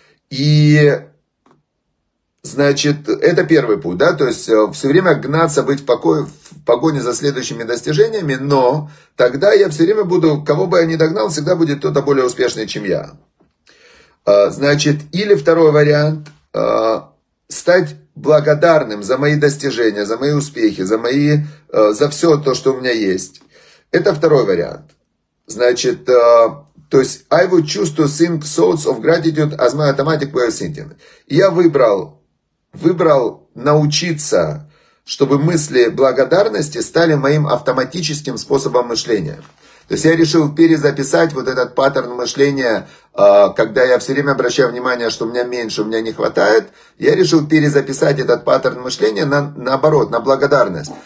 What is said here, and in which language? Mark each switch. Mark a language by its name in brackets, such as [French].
[Russian] И, значит, это первый путь, да, то есть все время гнаться, быть в покое, в погоне за следующими достижениями, но тогда я все время буду, кого бы я ни догнал, всегда будет кто-то более успешный, чем я. Значит, или второй вариант, стать благодарным за мои достижения, за мои успехи, за все то, что у меня есть. Это второй вариант. Значит, то есть, [English] I would choose to think thoughts of gratitude as my automatic way of thinking. [Russian] Я выбрал научиться, чтобы мысли благодарности стали моим автоматическим способом мышления. То есть, я решил перезаписать вот этот паттерн мышления когда я все время обращаю внимание, что у меня меньше, у меня не хватает, я решил перезаписать этот паттерн мышления на, наоборот, на благодарность.